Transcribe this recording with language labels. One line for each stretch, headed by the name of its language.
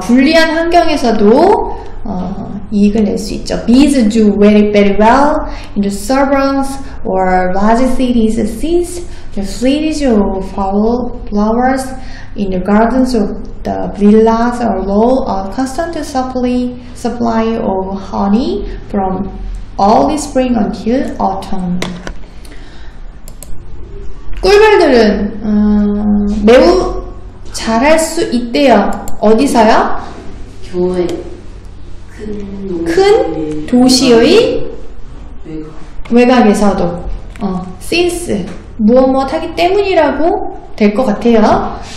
Korean: 불리한 환경에서도 이익을 낼 수 있죠.
English: Bees do very, very well in the suburbs or large cities since the cities of flowers in the gardens of the villas allow a constant supply of honey from early spring until autumn.
Korean: 꿀벌들은 매우 잘할 수 있대요. 어디서요? 교회 큰 도시의 외곽에서도 since 무엇 하기 때문이라고 될 것 같아요.